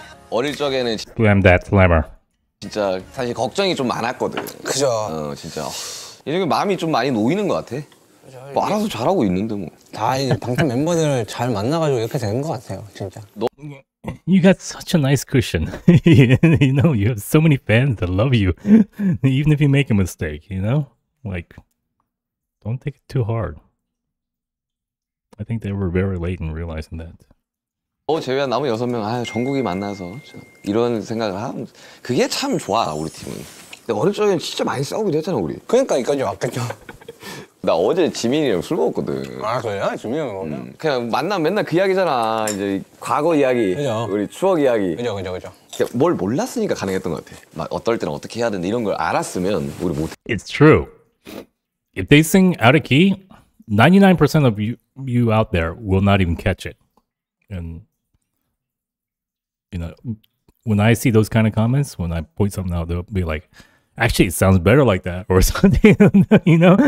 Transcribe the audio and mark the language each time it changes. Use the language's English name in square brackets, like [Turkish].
[Korean] 어릴 적에는 [English] Blame that slammer. [Korean] 진짜 사실 걱정이 좀 많았거든. 그죠. 진짜 요즘에 마음이 좀 많이 놓이는 것 같아. 뭐 알아서 잘하고 있는데 뭐. 다 이제 방탄 멤버들을 잘 만나가지고 이렇게 된 것 같아요, 진짜. [English] You got such a nice cushion. You know, you have so many fans that love you. Even if you make a mistake, you know? Like, don't take it too hard. I think they were very late in realizing that. [Korean] 재미야, 나머지 여섯 명, 아유, 정국이 만나서. 이런 생각을 하면, 그게 참 좋아, 우리 팀이. 근데 어릴 적엔 진짜 많이 싸우기도 했잖아, 우리. 그러니까, 이까지 왔겠죠. 나 어제 지민이랑 술 먹었거든. 아 그래요? 지민이 형 먹었나? 그냥 만나면 맨날 그 이야기잖아. 이제 과거 이야기, 그죠. 우리 추억 이야기. 그죠. 그냥 뭘 몰랐으니까 가능했던 것 같아. 막 어떨 때는 어떻게 해야 되는 이런 걸 알았으면 우리 못. [English] It's true. If they sing out of key, 99% of you out there will not even catch it. And you know, when I see those kind of comments, when I point something out, they'll be like. Actually, it sounds better like that or something, you know?